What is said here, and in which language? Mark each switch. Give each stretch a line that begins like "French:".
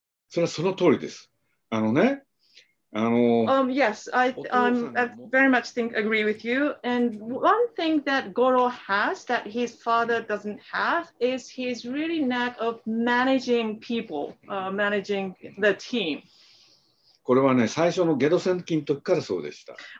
Japanese: それはその通りです。あのね、
English: Yes, I very much agree with you. And one thing that Goro has that his father doesn't have is his really knack of managing people, managing the team.
Japanese: これはね、最初のゲド戦記の時からそうでした。